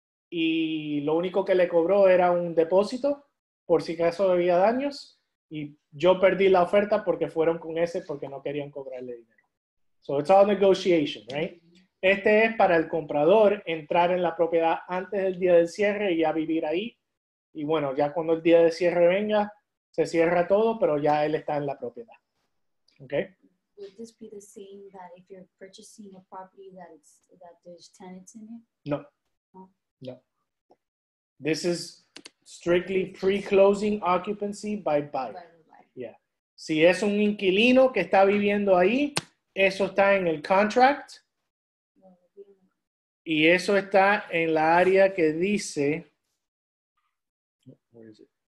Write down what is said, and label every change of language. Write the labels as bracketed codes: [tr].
[es] Y lo único que le cobró era un depósito, por si acaso había daños, y yo perdí la oferta porque fueron con ese porque no querían cobrarle dinero. [en] So it's all negotiation, right? [es] Este es para el comprador entrar en la propiedad antes del día del cierre y ya vivir ahí. Y bueno, ya cuando el día de cierre venga, se cierra todo, pero ya él está en la propiedad. Okay. [en] Would this be the same that if you're purchasing a property that it's, that there's tenants in it? No. No. This is strictly pre-closing occupancy by buyer. Yeah. [es] Si es un inquilino que está viviendo ahí, eso está en el contract. Y eso está en la área que dice... [en] Where is it?